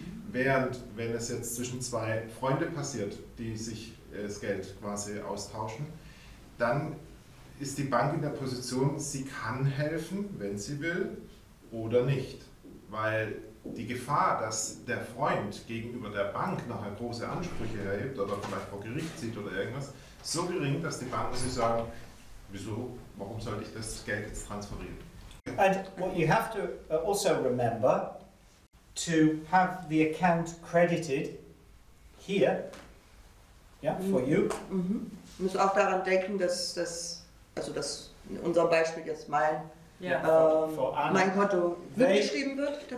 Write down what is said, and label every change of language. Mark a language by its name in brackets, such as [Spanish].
[German] Während, wenn es jetzt zwischen zwei Freunde passiert, die sich das Geld quasi austauschen, dann ist die Bank in der Position, sie kann helfen, wenn sie will, oder nicht. Weil die Gefahr, dass der Freund gegenüber der Bank nachher große Ansprüche erhebt oder vielleicht vor Gericht zieht oder irgendwas, so gering, dass die Banken sich sagen, wieso, warum soll ich das Geld jetzt transferieren? [English] And what you have to also remember, to have the account credited here, yeah, mm-hmm. for you. Mm-hmm. [German] Du musst auch daran denken, dass also dass in unserem Beispiel jetzt mein, mein Konto mitgeschrieben wird, der